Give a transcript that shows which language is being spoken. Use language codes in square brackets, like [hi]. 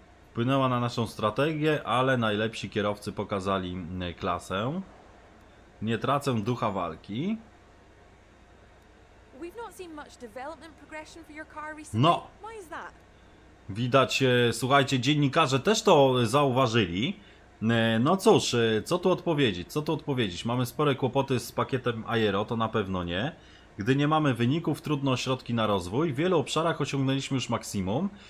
[pl] Wpłynęła na naszą strategię, ale najlepsi kierowcy pokazali klasę. Nie tracę ducha walki. [en] We've not seen much development progression for your car recently. [pl] No. [en] Why is that? [pl] Widać, słuchajcie, dziennikarze też to zauważyli. No cóż, co tu odpowiedzieć? Co tu odpowiedzieć? Mamy spore kłopoty z pakietem Aero, to na pewno nie. Gdy nie mamy wyników, trudno środki na rozwój. W wielu obszarach osiągnęliśmy już maksimum.